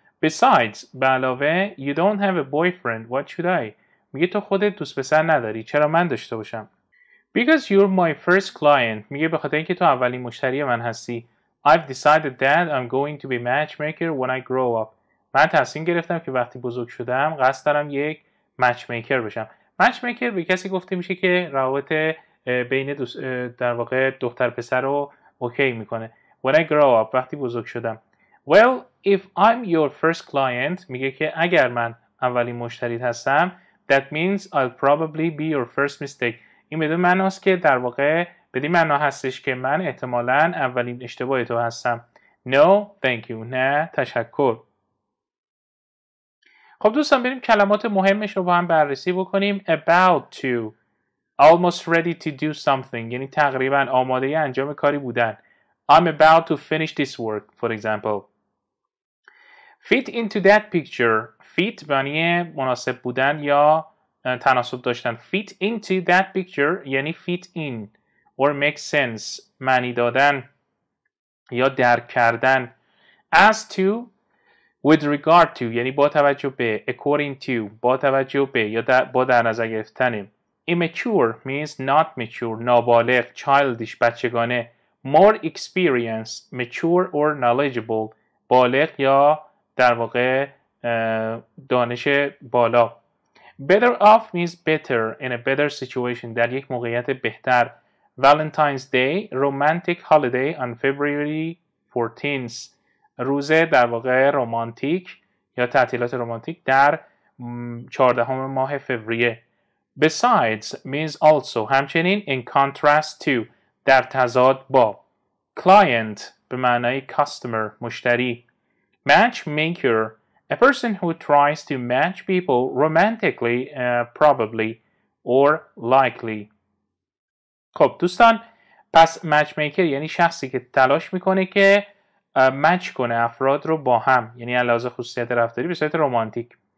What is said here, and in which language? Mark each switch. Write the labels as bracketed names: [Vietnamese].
[English] Besides, [Persian] به علاوه, [English] you don't have a boyfriend. What should I? [Persian] میگه تو خودت دوست پسر نداری. چرا من داشته باشم؟ [English] Because you're my first client. [Persian] میگه به خاطر اینکه تو اولین مشتری من هستی. [English] I've decided that I'm going to be matchmaker when I grow up. [Persian] من تصمیم گرفتم که وقتی بزرگ شدم قصد دارم یک matchmaker بشم. Matchmaker به کسی گفته میشه که روابط بین در واقع دختر پسر رو اوکی میکنه. [English] When I grow up, [Persian] وقتی بزرگ شدم. [English] Well, if I'm your first client, [Persian] میگه که اگر من اولین مشتری هستم, [English] that means I'll probably be your first mistake. [Persian] این بدون معناست که در واقع بدین معنا هستش که من احتمالاً اولین اشتباه تو هستم. [English] No, thank you. [Persian] نه, تشکر. خب دوستان بریم کلمات مهمش رو با هم بررسی بکنیم. [English] About to. Almost ready to do something. [Persian] یعنی تقریباً آماده ی انجام کاری بودن. [English] I'm about to finish this work, for example. Fit into that picture. [Persian] Fit معنی مناسب بودن یا تناسب داشتن. [English] Fit into that picture یعنی fit in. Or make sense, [Persian] معنی دادن یا درک کردن. [English] As to, With regard to [Persian] یعنی با توجه به, [English] according to [Persian] با توجه به یا با در نظر گرفتن. [English] Immature means not mature, [Persian] نابالغ, [English] childish, [Persian] بچگانه. [English] More experience, mature or knowledgeable, [Persian] بالغ یا در واقع دانش بالا. [English] Better off means better, in a better situation, [Persian] در یک موقعیت بهتر. [English] Valentine's Day, romantic holiday on February 14th. [Persian] روز در واقع رومانتیک یا تعطیلات رومانتیک در 14 ماه فوریه. [English] Besides means also, [Persian] همچنین [English] in contrast to, [Persian] در تضاد با. Client به معنای [English] customer, [Persian] مشتری. [English] Matchmaker, a person who tries to match people romantically, probably or likely. [Persian] خب دوستان, پس matchmaker یعنی شخصی که تلاش میکنه که match کنه افراد رو با هم, یعنی علاوه خصوصیت رفتاری به صورت رمانتیک.